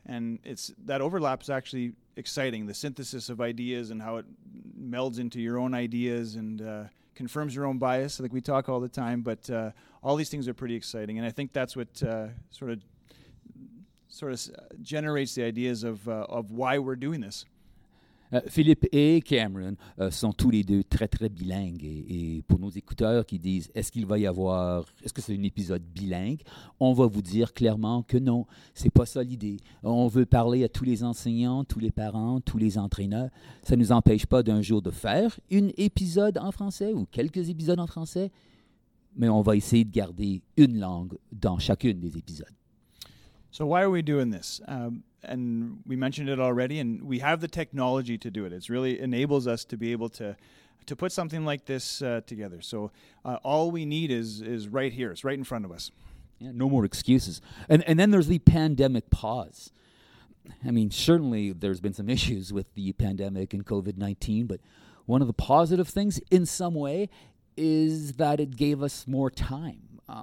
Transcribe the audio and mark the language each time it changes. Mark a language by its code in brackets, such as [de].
[en] And it's that overlap is actually exciting, the synthesis of ideas and how it melds into your own ideas and confirms your own bias, like we talk all the time. But all these things are pretty exciting. And I think that's what sort of generates the ideas of why we're doing this. [fr] Philippe et Cameron sont tous les deux très, très bilingues. Et pour nos écouteurs qui disent, est-ce que c'est un épisode bilingue? On va vous dire clairement que non, c'est pas ça l'idée. On veut parler à tous les enseignants, tous les parents, tous les entraîneurs. Ça ne nous empêche pas d'un jour de faire un épisode en français ou quelques épisodes en français, mais on va essayer de garder une langue dans chacune des épisodes. [en] So why are we doing this? And we mentioned it already, and we have the technology to do it. It really enables us to be able to put something like this together. So all we need is right here. It's right in front of us. Yeah, no more excuses. And then there's the pandemic pause. I mean, certainly there's been some issues with the pandemic and COVID-19, but one of the positive things in some way is that it gave us more time.